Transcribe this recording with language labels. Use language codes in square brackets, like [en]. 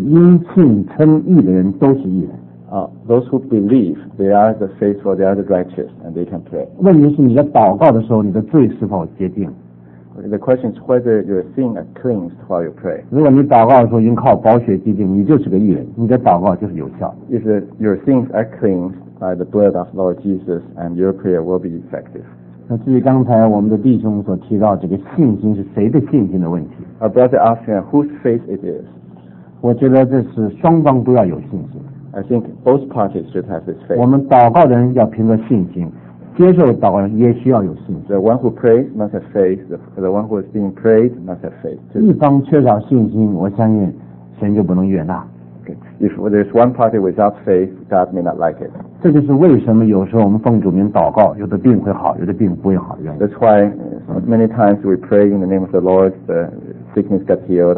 [zh] 错误的说法，因为所有因信称义的人都是义人。 [en] Those who believe they are the faithful, they are the righteous, and they can pray. [zh] 问题是你在祷告的时候，你的罪是否洁净？The [en] question is whether your sin is cleansed while you pray. [zh] 如果你祷告的时候已经靠宝血洁净，你就是个义人，你的祷告就是有效。If [en] your sins are cleansed by the blood of Lord Jesus, and your prayer will be effective. [zh] 那至于刚才我们的弟兄所提到这个信心是谁的信心的问题。Our [en] brother asked whose faith it is. [zh] 我觉得这是双方都要有信心。I [en] think both parties should have this faith. [zh] 我们祷告的人要凭着信心，接受祷告人也需要有信心。The [en] one who prays must have faith. The one who is being prayed must have faith. [zh] 一方缺少信心，我相信神就不能悦纳。 [en] Okay. If there's one party without faith, God may not like it. [zh] 这就是为什么有时候我们奉主名祷告，有的病会好，有的病不会好。 [en] That's why many times we pray in the name of the Lord, the sickness got healed.